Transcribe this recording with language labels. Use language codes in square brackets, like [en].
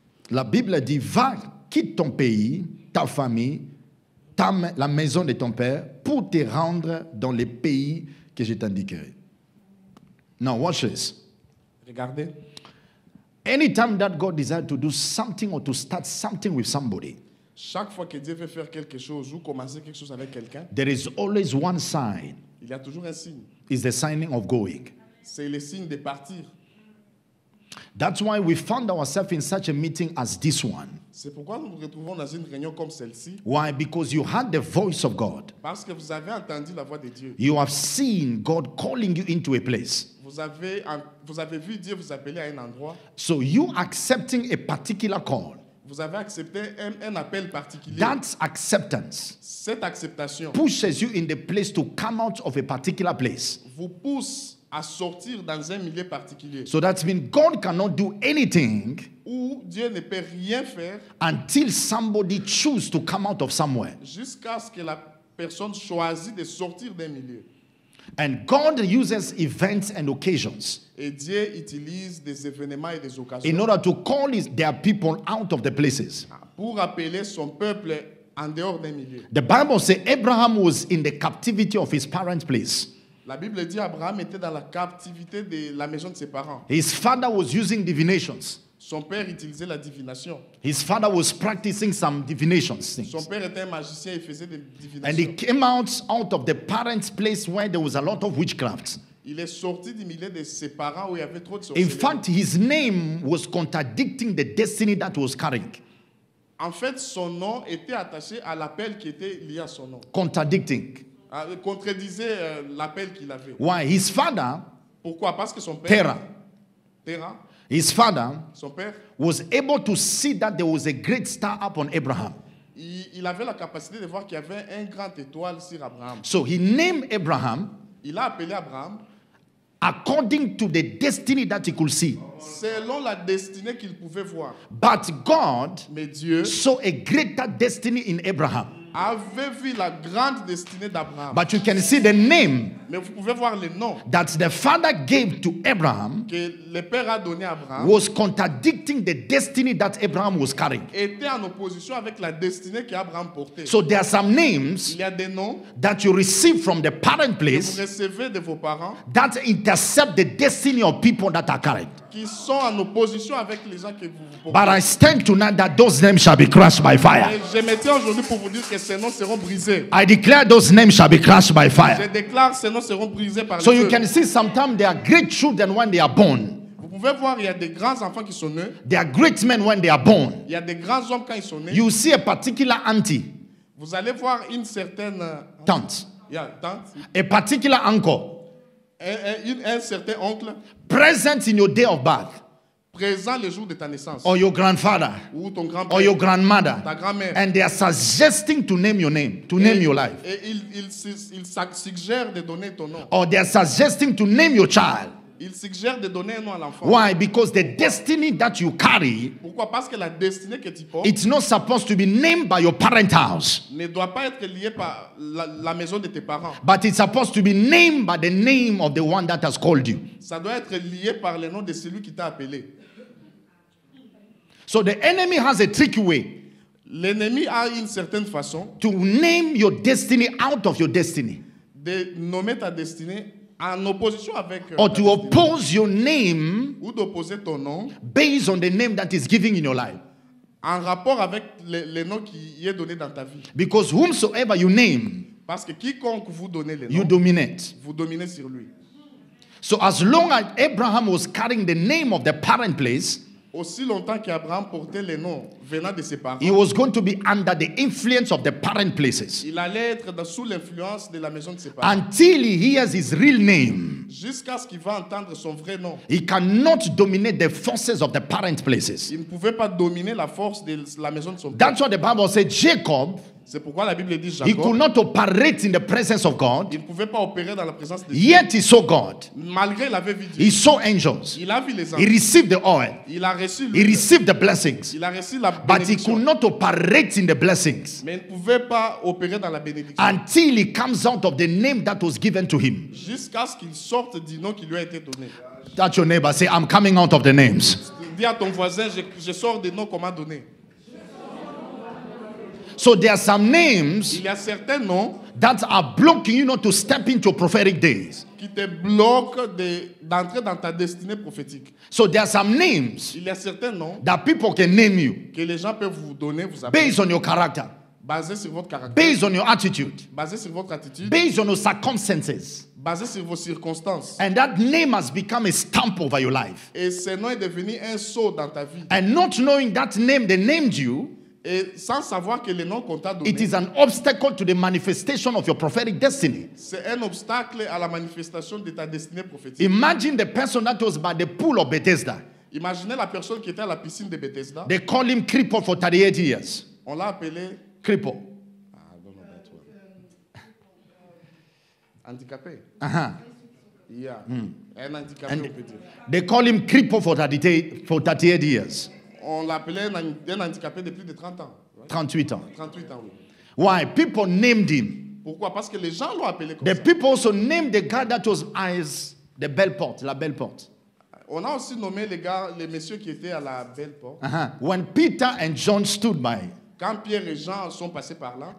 [fr] La Bible dit, va, quitte ton pays, ta famille, la maison de ton père, pour te rendre dans les pays que je t'indiquerai. [en] Now watch this. [fr] Regardez. [en] Anytime that God desires to do something or to start something with somebody, [fr] chaque fois que Dieu veut faire quelque chose ou commencer quelque chose avec quelqu'un, [en] there is always one sign. [fr] Il y a toujours un signe. [en] It's the signing of going. [fr] C'est le signe de partir. [en] That's why we found ourselves in such a meeting as this one. [fr] C'est pourquoi nous retrouvons dans une réunion comme celle-ci. [en] Why? Because you heard the voice of God. [fr] Parce que vous avez entendu la voix de Dieu. [en] You have seen God calling you into a place. [fr] Vous avez vu Dieu vous appeler à un endroit. [en] So you accepting a particular call. [fr] Vous avez accepté un appel particulier. [en] That's acceptance. [fr] Cette acceptation [en] pushes you in the place to come out of a particular place. [fr] Vous pousse à sortir dans un milieu particulier. [en] So that means God cannot do anything. [fr] Où Dieu ne peut rien faire. [en] Until somebody chooses to come out of somewhere. [fr] Jusqu'à ce que la personne choisisse de sortir d'un milieu. [en] And God uses events and occasions. [fr] Et Dieu utilise des événements et des occasions. [en] In order to call their people out of the places. [fr] Pour appeler son peuple en dehors d'un milieu. [en] The Bible says Abraham was in the captivity of his parents' place. [fr] La Bible dit Abraham était dans la captivité de la maison de ses parents. [en] His father was using divinations. [fr] Son père utilisait la divination. [en] His father was practicing some divinations. [fr] Son père était un magicien et faisait des divinations. [en] And he came out of the parents' place where there was a lot of witchcraft. [fr] Il est sorti du milieu de ses parents où il y avait trop de sorcellerie. [en] In fact, his name was contradicting the destiny that was carrying. [fr] En fait, son nom était attaché à l'appel qui était lié à son nom. [en] Contradicting. [fr] Contredisait l'appel qu'il avait. [en] Why? His father. [fr] Pourquoi? Parce que son père. [en] Terah. His father. [fr] Son père. [en] Was able to see that there was a great star upon Abraham. [fr] Il avait la capacité de voir qu'il y avait un grand étoile sur Abraham. [en] So he named Abraham. [fr] Il a appelé Abraham. [en] according to the destiny that he could see. [fr] Selon la destinée qu'il pouvait voir. [en] But God, [fr] mais Dieu, [en] saw a greater destiny in Abraham. [fr] Avait vu la grande destinée d'Abraham. [en] But you can see the name, [fr] mais vous pouvez voir le nom, [en] that the father gave to Abraham, [fr] que le père a donné à Abraham, [en] was contradicting the destiny that Abraham was carrying. [fr] Était en opposition avec la destinée qu'Abraham portait. [en] So there are some names, [fr] il y a des noms, [en] that you receive from the parent place, [fr] que vous recevez de vos parents, [en] that intercept the destiny of people that are carried. [fr] Qui sont en opposition avec les gens que vous portez. [en] But I stand tonight that those names shall be crushed by fire. [fr] Je me tiens aujourd'hui pour vous dire que ces noms seront brisés. [en] I declare those names shall be crushed by fire. [fr] Je déclare ces noms seront brisés par le feu. [en] So you can see sometimes there are great children when they are born. [fr] Vous pouvez voir il y a des grands enfants qui sont nés. [en] There are great men when they are born. [fr] Il y a des grands hommes quand ils sont nés. [en] You see a particular auntie. [fr] Vous allez voir une certaine tante. Yeah, tante. [en] A particular uncle. [fr] Un certain oncle [en] present in your day of birth, [fr] présent le jour de ta naissance, [en] or your grandfather, [fr] ou ton grand-père, [en] or your grandmother, [fr] ta grand-mère, [en] and they are suggesting to name your name, to name your life, [fr] et ils suggèrent de donner ton nom, [en] or they are suggesting to name your child. [fr] Ils suggèrent de donner un nom à l'enfant. [en] Why? Because the destiny that you carry, [fr] pourquoi? Parce que la destinée que tu portes, [en] it's not supposed to be named by your parent house, [fr] ne doit pas être lié par la maison de tes parents, [en] but it's supposed to be named by the name of the one that has called you. [fr] Ça doit être lié par le nom de celui qui t'a appelé. [en] So the enemy has a tricky way, [fr] l'ennemi a une certaine façon, [en] to name your destiny out of your destiny, [fr] de nommer ta destinée en opposition avec, [en] or to oppose your name, [fr] ou d'opposer ton nom, [en] based on the name that is given in your life, [fr] en rapport avec le nom qui est donné dans ta vie. [en] Because whomsoever you name, [fr] parce que quiconque vous donnez le nom, [en] you dominate, [fr] vous dominez sur lui. [en] So as long as Abraham was carrying the name of the parent place, [fr] aussi longtemps qu'Abraham portait le nom venant de ses parents, [en] he was going to be under the influence of the parent places. [fr] Il allait être sous l'influence de la maison de ses parents. [en] Until he hears his real name, [fr] jusqu'à ce qu'il va entendre son vrai nom, [en] he cannot dominate the forces of the parent places. [fr] Il ne pouvait pas dominer la force de la maison de son père. [en] That's what the Bible said. Jacob, [fr] c'est pourquoi la Bible dit Jacob, [en] he could not operate in the presence of God. [fr] Il ne pouvait pas opérer dans la présence de [en] Dieu. Yet he saw God. [fr] Malgré il avait vu Dieu. [en] He saw angels. [fr] Il a vu les anges. [en] He received the oil. [fr] Il a reçu l'huile. [en] He received the blessings. [fr] Il a reçu la bénédiction. [en] But he could not operate in the blessings. [fr] Mais il ne pouvait pas opérer dans la bénédiction. [en] Until he comes out of the name that was given to him. [fr] Jusqu'à ce qu'il sorte du nom qui lui a été donné. [en] That your neighbor say, I'm coming out of the names. [fr] Dis à ton voisin, je sors des noms qu'on m'a donnés. [en] So there are some names, [fr] il y a certains noms, [en] that are blocking you not to step into your prophetic days, [fr] qui te bloquent d'entrer dans ta destinée prophétique. [en] So there are some names, [fr] il y a certains noms, [en] that people can name you, [fr] que les gens peuvent vous donner, vous [en] appeler, based on your character, [fr] basé sur votre caractère, [en] based on your attitude, [fr] basé sur votre attitude, [en] based on your circumstances, [fr] basé sur vos circonstances. [en] And that name has become a stamp over your life. [fr] Et ce nom est devenu un sceau dans ta vie. [en] And not knowing that name they named you, [fr] et sans savoir que le nom qu'on t'a donné, [en] it is an obstacle to the manifestation of your prophetic destiny. [fr] C'est un obstacle à la manifestation de ta destinée prophétique. [en] Imagine the person that was by the pool of Bethesda. [fr] Imaginez la personne qui était à la piscine de Bethesda. [en] They call him crippled for 38 years. [fr] On l'a appelé [en] crippled. I don't know that word. [fr] Handicapé. [en] Yeah. [fr] Un handicapé. [en] They call him crippled for 38 years. [fr] On l'appelait un handicapé de plus de 30 ans. [en] Right? [fr] 38 ans. 38 ans, oui. [en] Why? People named him. [fr] Pourquoi? Parce que les gens l'ont appelé comme [en] the [fr] ça. [en] The people also named the guy that was eyes, the belle porte, [fr] la belle porte. On a aussi nommé les gars, les messieurs qui étaient à la belle porte. [en] Uh-huh. When Peter and John stood by. [fr] Quand Pierre et Jean sont passés par là.